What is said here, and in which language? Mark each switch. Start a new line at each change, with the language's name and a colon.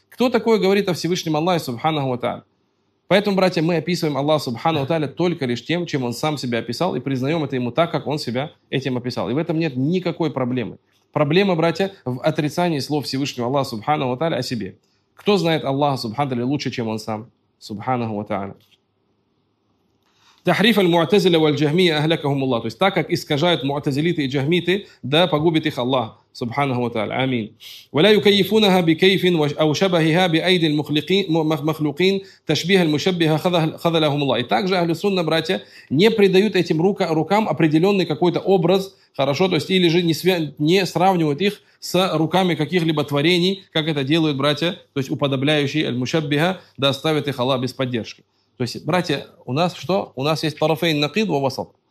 Russian: Кто такое говорит о Всевышнем Аллахе Субханаху ва Тааля? Поэтому, братья, мы описываем Аллах Субхану Тааля только лишь тем, чем он сам себя описал, и признаем это ему так, как он себя этим описал. И в этом нет никакой проблемы. Проблема, братья, в отрицании слов Всевышнего Аллаха Субхану ва Тааля о себе. Кто знает Аллаха Субхану Тааля лучше, чем он сам? Субханаху ва Тааля.
Arabic: تحريف المعتزلة والجهمية أهلكهم الله.
Russian: То есть так как искажают معتزلиты и джахмиты, да погубит их Аллах. Субханаху ва тааля. Амин.
Arabic: ولا يكيفونها بكيف أو شبهها بأيدي المخلوقين تشبيه المشبه خذلهم الله.
Russian: И также أهل Сунна, братья, не придают этим рукам определенный какой-то образ, хорошо, то есть или же не сравнивают их с руками каких-либо творений, как это делают, братья, то есть уподобляющие المشبه, да оставят их Аллах без поддержки. То есть, братья, у нас что? У нас есть тарафейн накид ва васат.